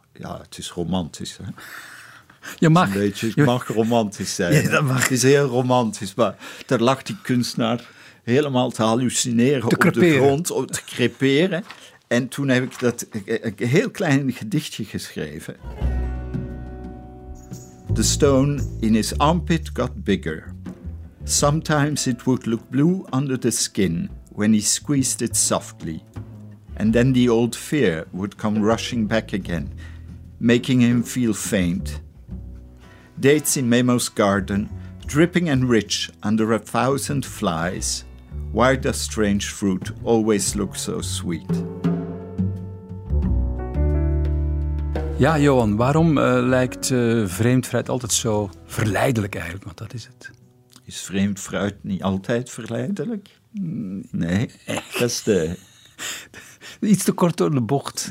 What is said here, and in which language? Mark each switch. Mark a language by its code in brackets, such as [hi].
[nl] Ja, het is romantisch, hè? Je mag. Het mag romantisch zijn. Ja, dat mag. Het is heel romantisch, maar daar lag die kunstenaar helemaal te hallucineren op de grond, te creperen. En toen heb ik dat een heel klein gedichtje geschreven. [en] The stone in his armpit got bigger. Sometimes it would look blue under the skin when he squeezed it softly. And then the old fear would come rushing back again, making him feel faint. Dates in Memo's garden, dripping and rich under 1,000 flies. Why does strange fruit always look so sweet? [nl] Ja, Johan, waarom lijkt vreemd fruit altijd zo verleidelijk eigenlijk? Want dat is het. Is vreemd fruit niet altijd verleidelijk? Nee, echt. Dat is de... Iets te kort door de bocht.